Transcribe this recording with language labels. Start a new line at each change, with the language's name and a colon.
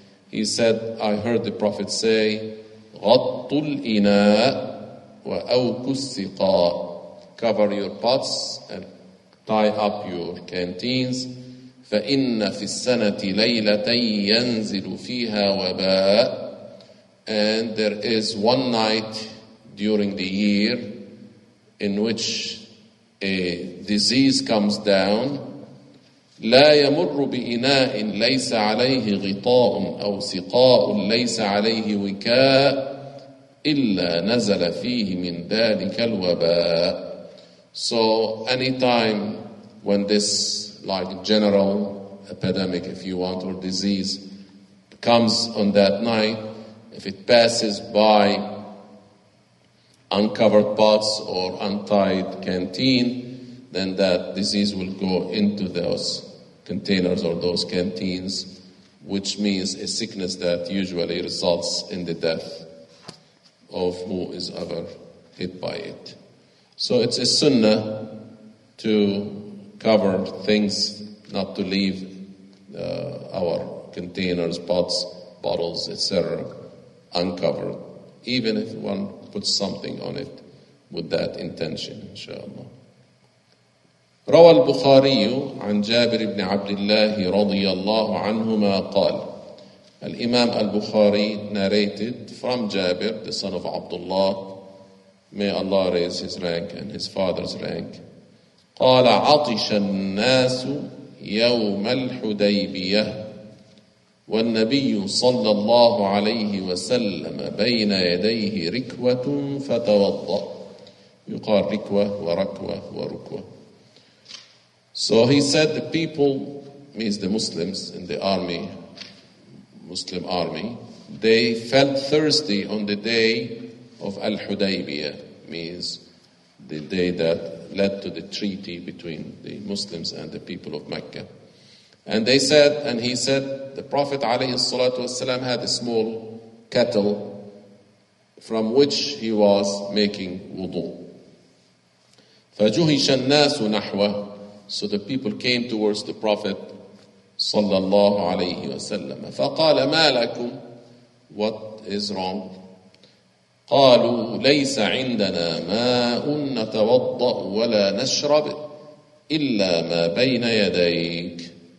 English: He said, I heard the Prophet say,
Arabic: غَطُّ الْإِنَاءِ وَأَوْكُ السِّقَاءِ,
English: cover your pots and tie up your canteens.
Arabic: فَإِنَّ فِي السَّنَةِ لَيْلَةً يَنْزِلُ فِيهَا وَبَاءِ,
English: and there is one night during the year in which a disease comes down.
Arabic: لا يمر بإناء ليس عليه غطاء أو سقاء ليس عليه وكاء إلا نزل فيه من ذلك الوباء.
English: So anytime when this like general epidemic, if you want, or disease, comes on that night, if it passes by uncovered pots or untied canteen, then that disease will go into those containers or those canteens, which means a sickness that usually results in the death of who is ever hit by it. So it's a sunnah to cover things, not to leave our containers, pots, bottles, etc., uncovered, even if one puts something on it with that intention, inshallah.
Arabic: روى البخاري عن جابر بن عبد الله رضي الله عنهما قال الإمام البخاري
English: narrated from Jabir, the son of Abdullah, may Allah raise his rank and his father's rank,
Arabic: قال عطش الناس يوم الحديبية والنبي صلى الله عليه وسلم بين يديه ركوة فتوضأ. يقال ركوة وركوة وركوة.
English: So he said the people, means the Muslims in the army, Muslim army, they felt thirsty on the day of Al-Hudaybiyah, means the day that led to the treaty between the Muslims and the people of Mecca. And they said, and he said, the Prophet ﷺ had a small kettle from which he was making wudu.
Arabic: فَجُهِشَ النَّاسُ نَحْوَهُ.
English: So the people came towards the Prophet
Arabic: صلى الله عليه وسلم. فقال ما لكم,
English: what is wrong?
Arabic: قالوا ليس عندنا ماء نتوضأ ولا نشرب إلا ما بين يديك.